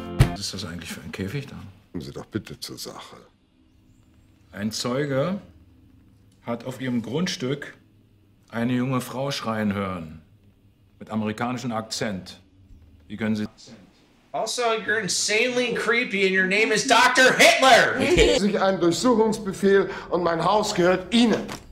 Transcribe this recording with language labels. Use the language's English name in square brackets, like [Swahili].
[German] Was ist das eigentlich für ein Käfig da? Kommen Sie doch bitte zur Sache. Ein Zeuge hat auf ihrem Grundstück eine junge Frau schreien hören. Mit amerikanischem Akzent. Wie können Sie... [English] Also, you're insanely creepy and your name is Dr. Hitler! [German] ...sich ein Durchsuchungsbefehl und mein Haus gehört Ihnen.